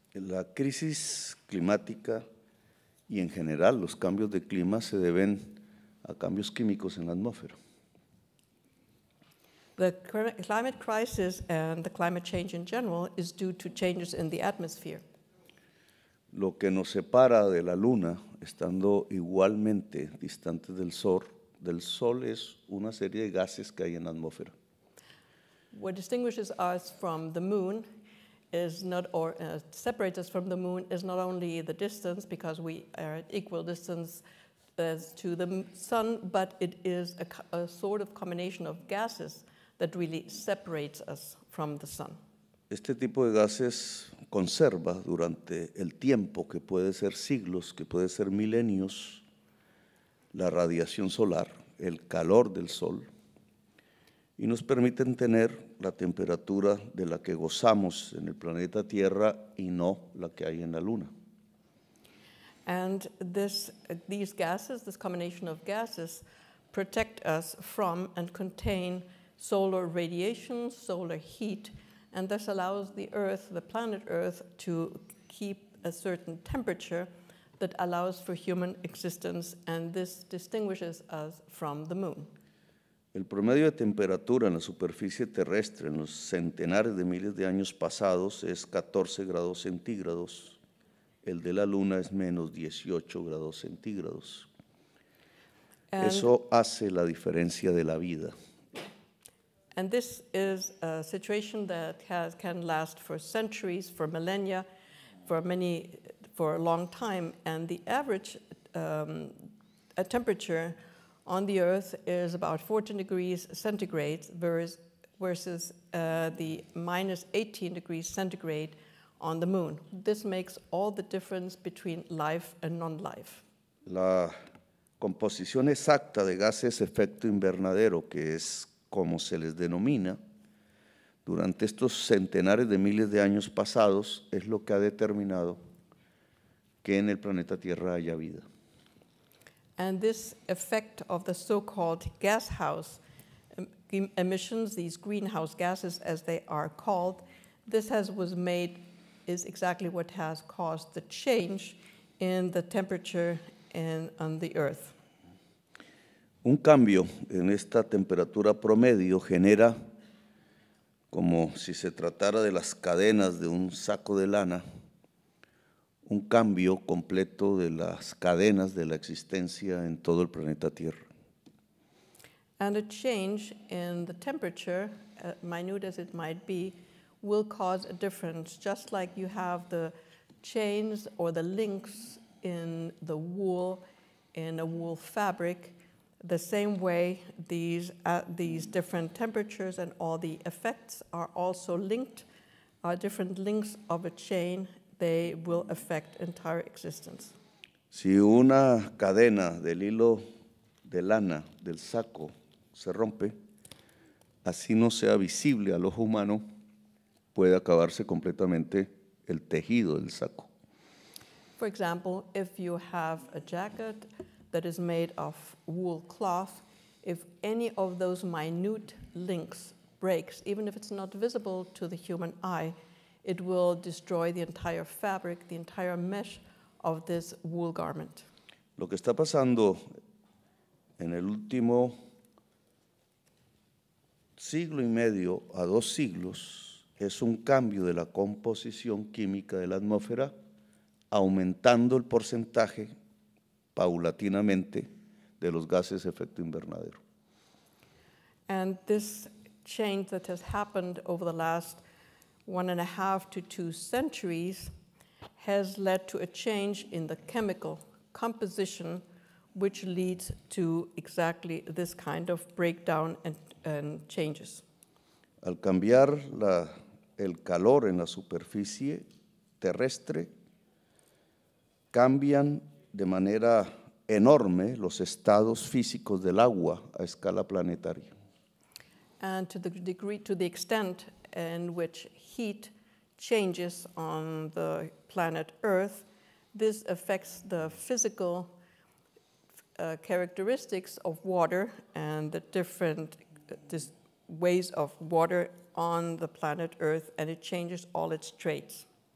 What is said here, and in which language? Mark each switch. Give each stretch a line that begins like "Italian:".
Spanish: La crisis climática y en general los cambios de clima se deben a cambios químicos en la atmósfera.
English: The climate crisis and the climate change in general is due to changes in the atmosphere.
Spanish: Lo que nos separa de la luna, estando igualmente distantes del sol es una serie de gases que hay en la atmósfera.
English: What distinguishes us from the moon is not, or separates us from the moon is not only the distance, because we are at equal distance as to the sun, but it is a sort of combination of gases that really separates us from the sun.
Spanish: Este tipo de gases conserva durante el tiempo, que puede ser siglos, que puede ser milenios, la radiación solar, el calor del sol, y nos permiten tener la temperatura de la que gozamos en el planeta Tierra y no la que hay en la Luna.
English: And these gases, this combination of gases, protect us from and contain solar radiation, solar heat, and this allows the Earth, the planet Earth, to keep a certain temperature that allows for human existence, and this distinguishes us from the Moon.
Spanish: El promedio de temperatura en la superficie terrestre en los centenares de miles de años pasados es 14 grados centígrados. El de la Luna es menos 18 grados centígrados.
English: And
Spanish: eso hace la diferencia de la vida.
English: And this is a situation that can last for centuries, for millennia, for a long time. And the average temperature on the Earth is about 14 degrees centigrade versus the minus 18 degrees centigrade on the Moon. This makes all the difference between life and non-life.
Spanish: La composición exacta de gases efecto invernadero, que es como se les denomina, durante estos centenares de miles de años pasados, es lo que ha determinado que en el planeta Tierra haya vida.
English: And this effect of the so-called gas house emissions, these greenhouse gases as they are called, is exactly what has caused the change in the temperature on the Earth.
Spanish: Un cambio en esta temperatura promedio genera, como si se tratara de las cadenas de un saco de lana, un cambio completo de las cadenas de la existencia en todo el planeta Tierra.
English: And a change in the temperature, minute as it might be, will cause a difference, just like you have the chains or the links in the wool, in a wool fabric. The same way, these different temperatures and all the effects are also linked, are different links of a chain. They will affect entire existence.
Spanish: Si una cadena del hilo de lana del saco se rompe, así no sea visible al ojo humano, puede acabarse completamente el tejido del saco.
English: For example, if you have a jacket that is made of wool cloth, if any of those minute links breaks, even if it's not visible to the human eye, it will destroy the entire fabric, the entire mesh of this wool garment.
Spanish: Lo que está pasando en el último siglo y medio a dos siglos es un cambio de la composición química de la atmósfera, aumentando el porcentaje paulatinamente de los gases efecto invernadero.
English: And this change that has happened over the last 1.5 to 2 centuries has led to a change in the chemical composition, which leads to exactly this kind of breakdown and changes.
Spanish: Al cambiar el calor en la superficie terrestre, cambian de manera enorme los estados físicos del agua a escala planetaria.
English: And to the degree, to the extent in which heat changes on the planet Earth, this affects the physical characteristics of water and the different ways of water on the planet Earth, and it changes all its traits.